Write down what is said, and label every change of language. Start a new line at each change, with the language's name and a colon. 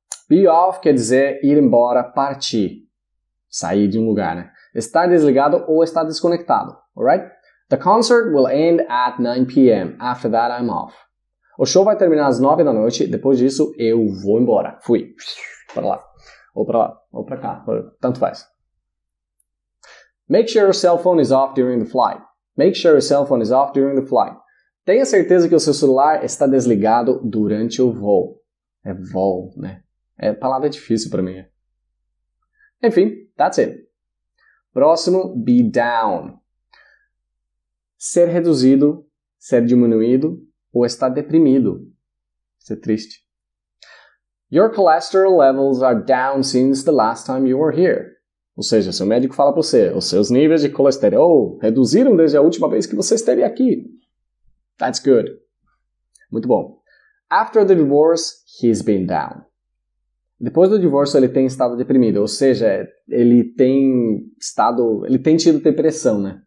Portuguese: Be off quer dizer ir embora, partir. Sair de um lugar, né? Estar desligado ou estar desconectado.
English: Alright? The concert will end at 9 p.m. After that, I'm off.
Portuguese: O show vai terminar às 9 da noite. Depois disso, eu vou embora. Fui. Para lá. Ou para lá, ou para cá, tanto faz.
English: Make sure your cell phone is off during the flight. Make sure your cell phone is off during the flight.
Portuguese: Tenha certeza que o seu celular está desligado durante o voo. É voo, né? É palavra difícil para mim. Enfim,
English: that's it.
Portuguese: Próximo, be down. Ser reduzido, ser diminuído ou estar deprimido. Ser triste.
English: Your cholesterol levels are down since the last time you were here.
Portuguese: Ou seja, seu médico fala para você, os seus níveis de colesterol reduziram desde a última vez que você esteve aqui.
English: That's good.
Portuguese: Muito bom.
English: After the divorce, he's been down.
Portuguese: Depois do divórcio, ele tem estado deprimido. Ou seja, ele tem tido depressão, né?